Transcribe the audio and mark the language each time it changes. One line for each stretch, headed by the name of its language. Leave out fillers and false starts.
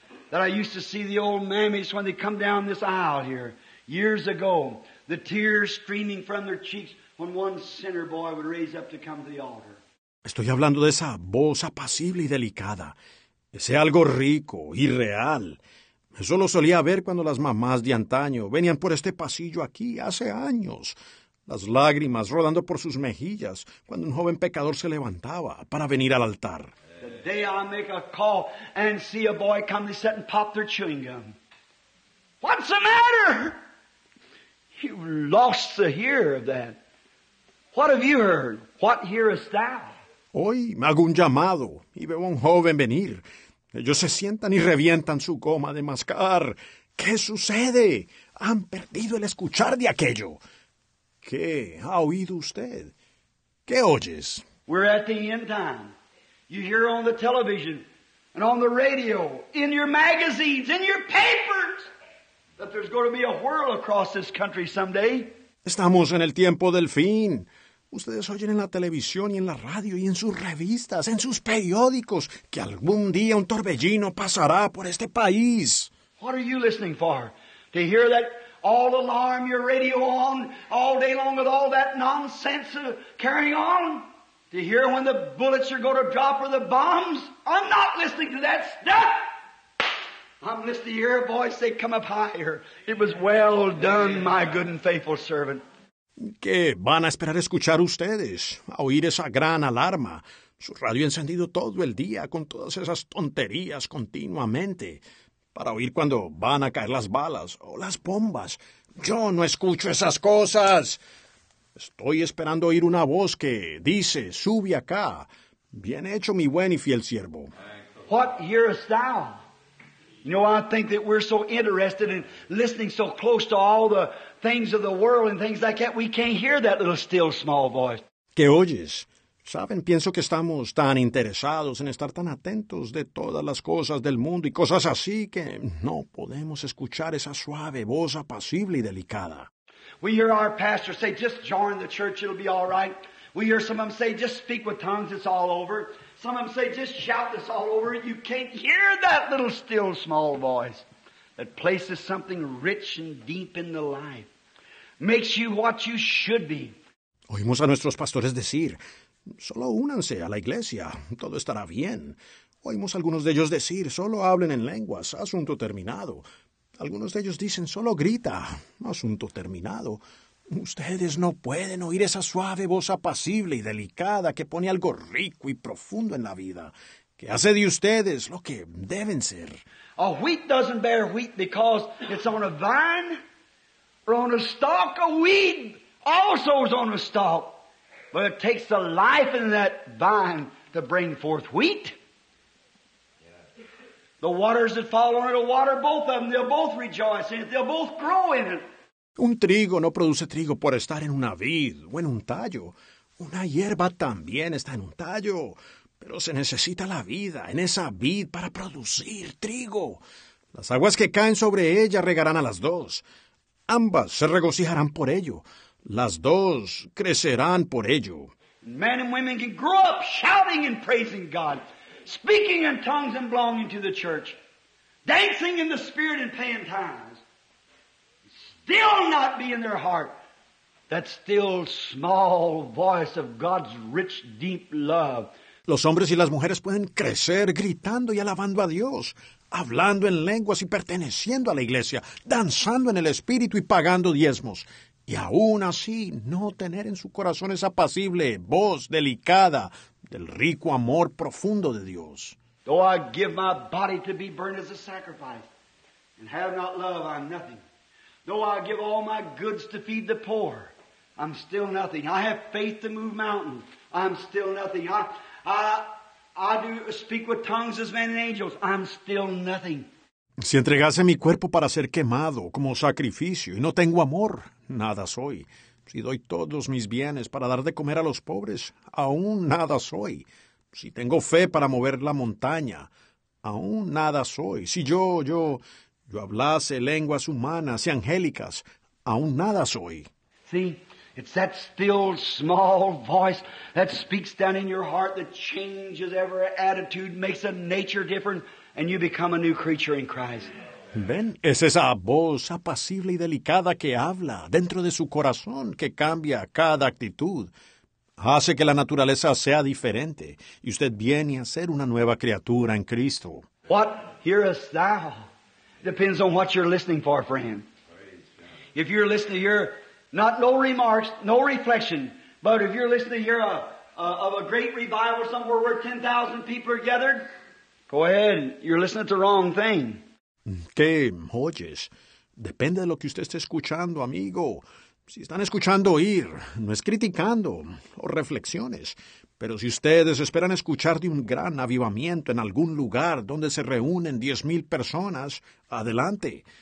English: That I used to see the old mammies when they come down this aisle here years ago, the tears streaming from their cheeks when one sinner boy would raise up to come to the altar.
Spanish: Estoy hablando de esa voz apacible y delicada, ese algo rico y real. Eso lo solía ver cuando las mamás de antaño venían por este pasillo aquí hace años, las lágrimas rodando por sus mejillas cuando un joven pecador se levantaba para venir al altar.
English: The day I make a call and see a boy come to sit and pop their chewing gum. What's the matter? You lost the hear of that. What have you heard? What hearest thou?
Spanish: Hoy me hago un llamado y veo a un joven venir. Ellos se sientan y revientan su goma de mascar. ¿Qué sucede? Han perdido el escuchar de aquello. ¿Qué ha oído usted? ¿Qué oyes?
English: We're at the end time. You hear on the television and on the radio, in your magazines, in your papers, that there's going to be a whirl across this country someday.
Spanish: Estamos en el tiempo del fin. Ustedes oyen en la televisión y en la radio y en sus revistas, en sus periódicos, que algún día un torbellino pasará por este país.
English: What are you listening for? To hear that all alarm your radio on all day long with all that nonsense carrying on? To hear when the bullets are going to drop or the bombs? I'm not listening to that stuff. I'm listening to hear a voice say, come up higher. It was well done, my good and faithful servant.
Spanish: ¿Qué van a esperar escuchar ustedes? A oír esa gran alarma. Su radio encendido todo el día con todas esas tonterías continuamente. Para oír cuando van a caer las balas o las bombas. Yo no escucho esas cosas. Estoy esperando oír una voz que dice, sube acá. Bien hecho, mi buen y fiel siervo.
English: What hearest thou? You know, I think that we're so interested in listening so close to all the things of the world and things like that, we can't hear that little still small voice.
Spanish: ¿Qué oyes? ¿Saben? Pienso que estamos tan interesados en estar tan atentos de todas las cosas del mundo y cosas así que no podemos escuchar esa suave voz apacible y delicada.
English: We hear our pastor say, just join the church, it'll be all right. We hear some of them say, just speak with tongues, it's all over. Some of them say, just shout, it's all over. You can't hear that little still small voice that places something rich and deep in the life. Makes you what you should be.
Spanish: Oímos a nuestros pastores decir, solo únanse a la iglesia, todo estará bien. Oímos a algunos de ellos decir, solo hablen en lenguas, asunto terminado. Algunos de ellos dicen, solo grita, asunto terminado. Ustedes no pueden oír esa suave voz apacible y delicada que pone algo rico y profundo en la vida, que hace de ustedes lo que deben ser.
English: A wheat doesn't bear wheat because it's on a vine or on a stalk. A weed also is on a stalk, but it takes the life in that vine to bring forth wheat. The waters that fall on it will water both of them. They'll both rejoice in it. They'll both grow in it.
Spanish: Un trigo no produce trigo por estar en una vid o en un tallo. Una hierba también está en un tallo. Pero se necesita la vida en esa vid para producir trigo. Las aguas que caen sobre ella regarán a las dos. Ambas se regocijarán por ello. Las dos crecerán por ello.
English: Men and women can grow up shouting and praising God. Speaking in tongues and belonging to the church. Dancing in the Spirit and paying tithes. Still not be in their heart. That still small voice of God's rich deep love.
Spanish: Los hombres y las mujeres pueden crecer gritando y alabando a Dios. hablando en lenguas y perteneciendo a la iglesia, danzando en el Espíritu y pagando diezmos. Y aún así, no tener en su corazón esa apacible voz delicada del rico amor profundo de Dios.
English: Though I give my body to be burned as a sacrifice, and have not love, I'm nothing. Though I give all my goods to feed the poor, I'm still nothing. I have faith to move mountains, I'm still nothing. I do speak with tongues as men and angels, I'm still nothing.
Spanish: Si entregase mi cuerpo para ser quemado como sacrificio y no tengo amor, nada soy. Si doy todos mis bienes para dar de comer a los pobres, aún nada soy. Si tengo fe para mover la montaña, aún nada soy. Si yo hablase lenguas humanas y angélicas, aún nada soy.
English: See, it's that still small voice that speaks down in your heart that changes every attitude, makes a nature different, and you become a new creature in Christ.
Spanish: Ven, es esa voz apacible y delicada que habla dentro de su corazón que cambia cada actitud. Hace que la naturaleza sea diferente y usted viene a ser una nueva criatura en Cristo.
English: What hearest thou? Depends on what you're listening for, friend. If you're listening to hear, not no remarks, no reflection, but if you're listening to hear of a great revival somewhere where 10,000 people are gathered, go ahead, you're listening to the wrong thing.
Spanish: ¿Qué oyes? Depende de lo que usted esté escuchando, amigo. Si están escuchando oír, no es criticando o reflexiones, pero si ustedes esperan escuchar de un gran avivamiento en algún lugar donde se reúnen 10,000 personas, adelante.